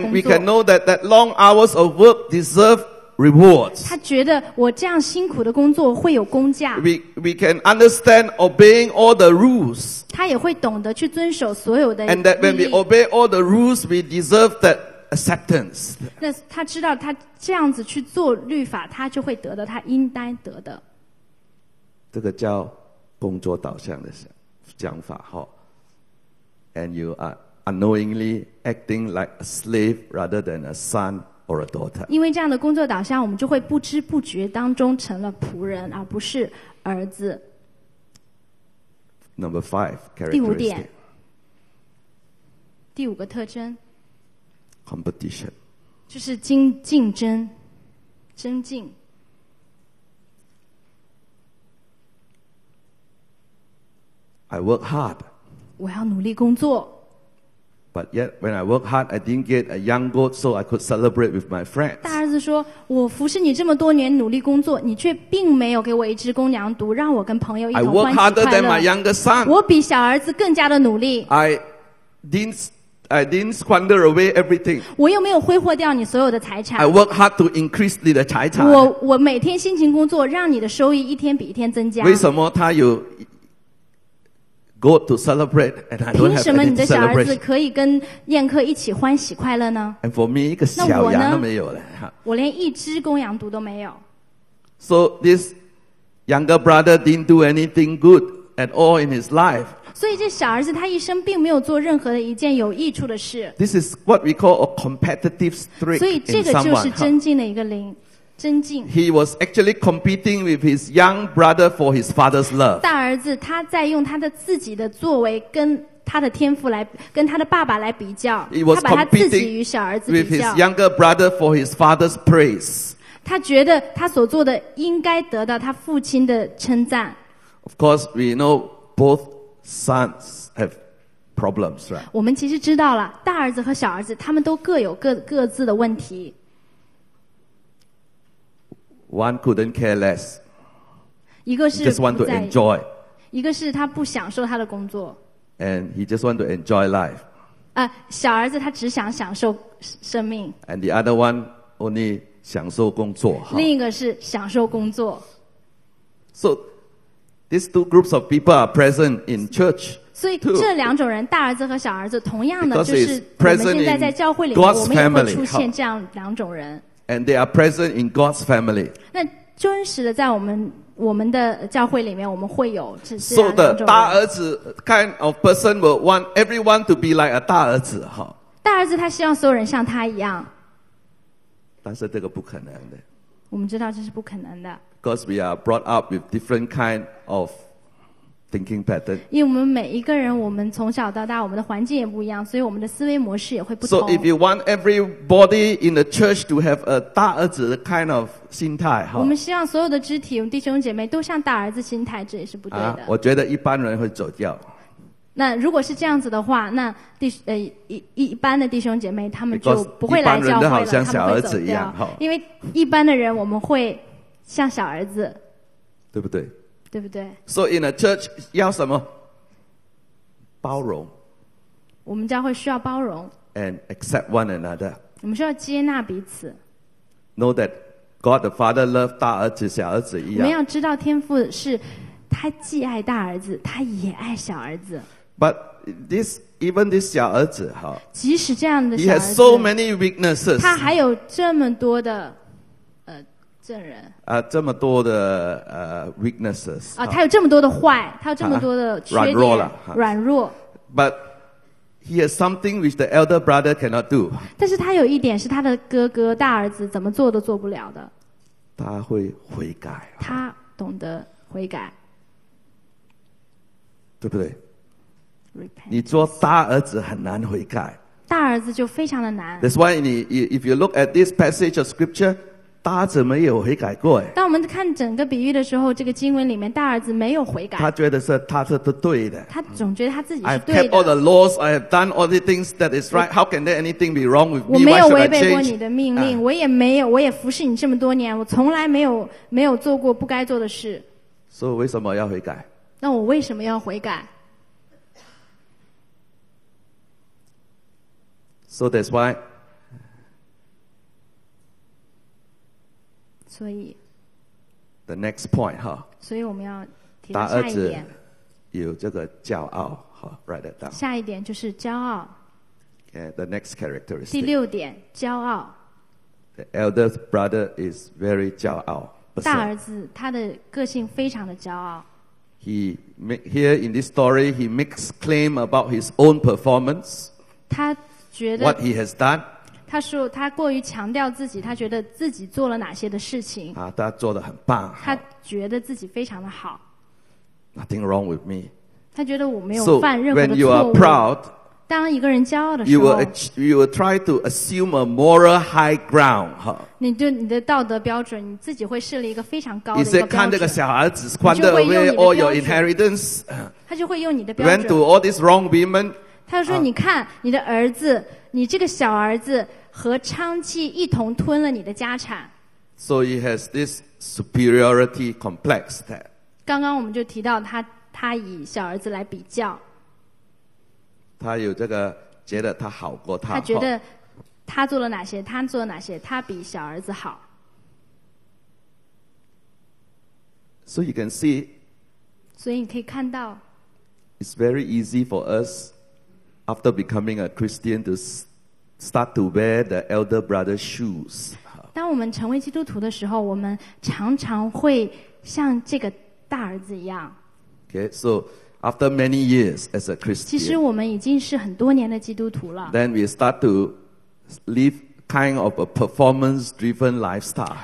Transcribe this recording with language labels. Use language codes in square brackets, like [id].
[en] 工作。And we can know that long hours of work deserve rewards. [zh] 他觉得我这样辛苦的工作会有工价。 [en] We can understand obeying all the rules. [zh] 他也会懂得去遵守所有的。 [en] And that when we obey all the rules, we deserve that acceptance. [zh] 那他知道他这样子去做律法，他就会得到他应当得的。这个叫工作导向的讲法哈。 [en] And you are unknowingly acting like a slave rather than a son. Or a daughter. [zh] 因为这样的工作导向，我们就会不知不觉当中成了仆人，而不是儿子。 [en] Number five characteristic. [zh] 第五个特征。 [en] Competition. [zh] 就是竞争，增进。 [en] I work hard. [zh] 我要努力工作。 [en] But yet, when I work hard, I didn't get a young goat, so I could celebrate with my friends. [zh] 大儿子说：“我服侍你这么多年，努力工作，你却并没有给我一只公羊犊，让我跟朋友一同欢喜快乐。” [en] I work harder than my younger son. [zh] 我比小儿子更加的努力。 [en] I didn't squander away everything. [zh] 我又没有挥霍掉你所有的财产。 [en] I work hard to increase [zh] 你的财产。我每天辛勤工作，让你的收益一天比一天增加。为什么他有？ [en] Go to celebrate, and I don't have any celebration. [zh] 凭什么你的小儿子可以跟宴客一起欢喜快乐呢？ [en] And for me, [zh] 一个小羊都没有了。我连一只公羊犊都没有。 [en] So this younger brother didn't do anything good at all in his life. [zh] 所以这小儿子他一生并没有做任何的一件有益处的事。 [en] This is what we call a competitive streak in someone. [zh] 所以这个就是增进的一个灵。增进。 [en] He was actually competing with his young brother for his father's love. [zh] 大儿子他在用他的自己的作为跟他的天赋来跟他的爸爸来比较。 [en] He was competing with his younger brother for his father's praise. [zh] 他觉得他所做的应该得到他父亲的称赞。 [en] Of course, we know both sons have problems, right? [zh] 我们其实知道了，大儿子和小儿子他们都各有各自的问题。 [en] One couldn't care less. [zh] 一个是 [en] just want to enjoy. [zh] 一个是他不享受他的工作。 [en] And he just want to enjoy life. [zh] 小儿子他只想享受生命。 [en] And the other one only [zh] 享受工作。另一个是享受工作。 [en] So these two groups of people are present in church. [zh] 所以这两种人，大儿子和小儿子，同样的就是 [en] present [zh] 现在在教会里面，我们也会出现这样两种人。 [en] And they are present in God's family. [zh] 那真实的在我们的教会里面，我们会有这些。 [en] So the 大儿子 kind of person will want everyone to be like a 大儿子哈。 [zh] 大儿子他希望所有人像他一样。但是这个不可能的。我们知道这是不可能的。 [en] Because we are brought up with different kind of thinking pattern. [zh] 因为我们每一个人，我们从小到大，我们的环境也不一样，所以我们的思维模式也会不同。 [en] So if you want everybody in the church to have a 大儿子 kind of 心态， [zh] 我们希望所有的肢体，弟兄姐妹都像大儿子心态，这也是不对的。我觉得一般人会走掉。那如果是这样子的话，那一般的弟兄姐妹他们就不会来教会了，他们会走掉。一般人都好像小儿子一样，因为一般的人我们会像小儿子，对不对？对不对 [en] ？So in a church [zh] 要什么？包容。我们教会需要包容。 [en] And accept one another. [zh] 我们需要接纳彼此。 [en] Know that God the Father loved [zh] 大儿子小儿子一样。我们要知道天父是。他既爱大儿子，他也爱小儿子。 [en] But this even this 小儿子哈， [zh] 即使这样的小 [en] 儿子，he has so many weaknesses. [zh] 他还有这么多的证人。这么多的weaknesses. 他有这么多的坏，他有这么多的缺点。软弱。 [en] But he has something which the elder brother cannot do. [zh] 但是他有一点是他的哥哥大儿子怎么做都做不了的。他会悔改。他懂得悔改。对不对？ [en] Repent. [zh] 你做大儿子很难悔改，大儿子就非常的难。 [en] That's why if you look at this passage of scripture, [zh] 大儿子没有悔改过。当我们看整个比喻的时候，这个经文里面大儿子没有悔改。他觉得是他是对的。他总觉得他自己是对的。 [en] I've kept all the laws. I have done all the things that is right. How can there anything be wrong with me? [zh] 我没有违背过你的命令，我也没有，我也服侍你这么多年，我从来没有做过不该做的事。所以为什么要悔改？那我为什么要悔改？ [en] So that's why. [zh] 所以。 [en] The next point, 哈。 [zh] 所以我们要提到下一点。大儿子有这个骄傲，哈 ， [en] write it down。 [zh] 下一点就是骄傲。 [en] Okay, the next characteristic. 第 [zh] 六点，骄傲。 [en] The elder brother is very 骄傲。 [zh] 大儿子他的个性非常的骄傲。 [en] Here in this story, he makes claim about his own performance. [zh] 他觉得 [en] what he has done. [zh] 他说他过于强调自己，他觉得自己做了哪些的事情。他做得很棒。他觉得自己非常的好。 [en] Nothing wrong with me. [zh] 他觉得我没有犯任何的错误。 [en] When you are proud, [zh] 当一个人骄傲的时候， [en] you will try to assume a moral high ground. [zh] 你对你的道德标准，你自己会设立一个非常高的一个标准。看这个小孩子 [en] squander away all your inheritance. [zh] 他就会用你的标准。 [en] Went to all these wrong women. [zh] 他就说：“你看你的儿子，你这个小儿子和娼妓一同吞了你的家产。” [en] So he has this superiority complex. [zh] 刚刚我们就提到他以小儿子来比较。他有这个觉得他好过他，他觉得他做了哪些，他做了哪些，他比小儿子好。 [en] So you can see. [zh] 所以你可以看到。 [en] It's very easy for us after becoming a Christian to start to wear the elder brother's shoes. [zh] 当我们成为基督徒的时候，我们常常会像这个大儿子一样。 [en] Okay, so. After many years as a Christian, [zh] 其实我们已经是很多年的基督徒了。 [en] Then we start to live kind of a performance-driven lifestyle.